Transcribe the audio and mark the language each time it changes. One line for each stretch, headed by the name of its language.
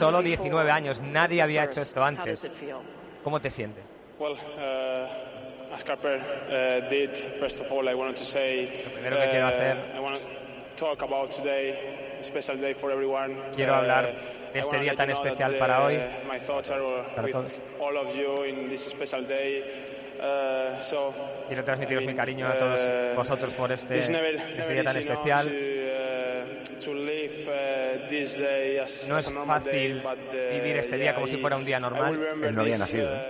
Spanish: Con solo 19 años, nadie había hecho esto antes. ¿Cómo te sientes?
English: Well, as Carper did, first of all, I wanted to say, I want to talk about today, a special day for everyone.
Spanish: Quiero hablar de este día tan especial para hoy.
English: My thoughts are with all of you in this special day.
Spanish: Quiero transmitiros mi cariño a todos vosotros por este día tan especial. No es fácil vivir este día como si fuera un día normal. Él no había nacido.